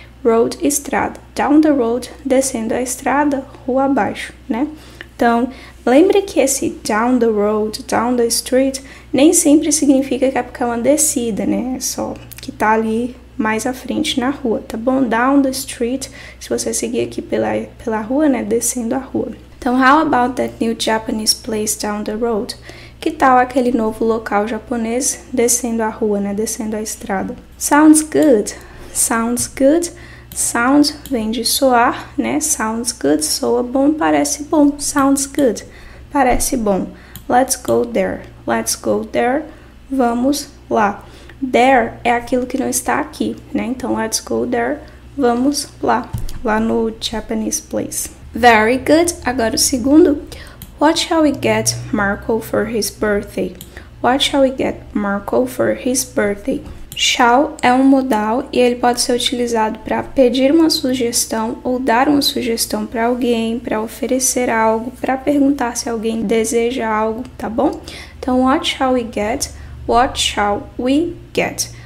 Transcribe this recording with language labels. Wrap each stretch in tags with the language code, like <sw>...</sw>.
<pt>Road, estrada.</pt> <en>Down the road,</en> <pt>descendo a estrada, rua abaixo, né? Então, lembre que esse</pt> <en>down the road, down the street,</en> <pt>nem sempre significa que é porque é uma descida, né? É só que tá ali mais à frente na rua, tá bom?</pt> <en>Down the street,</en> <pt>se você seguir aqui pela rua, né? Descendo a rua.</pt> <en>Então, how about that new Japanese place down the road?</en> <pt>Que tal aquele novo local japonês descendo a rua, né? Descendo a estrada.</pt> <en>Sounds good. Sounds good. Sound</en> <pt>vem de soar, né? Sounds good. Soa bom, parece bom.</pt> <en>Sounds good.</en> <pt>Parece bom.</pt> <en>Let's go there. Let's go there.</en> <pt>Vamos lá. There é aquilo que não está aqui, né? Então,</pt> <en>let's go there.</en> <pt>Vamos lá. Lá no Japanese place. Very good. Agora o segundo.</pt> <en>What shall we get Marco for his birthday? What shall we get Marco for his birthday?</en> <pt>Shall é um modal e ele pode ser utilizado para pedir uma sugestão ou dar uma sugestão para alguém, para oferecer algo, para perguntar se alguém deseja algo, tá bom?</pt> <en>Então, what shall we get? What shall we get?</en>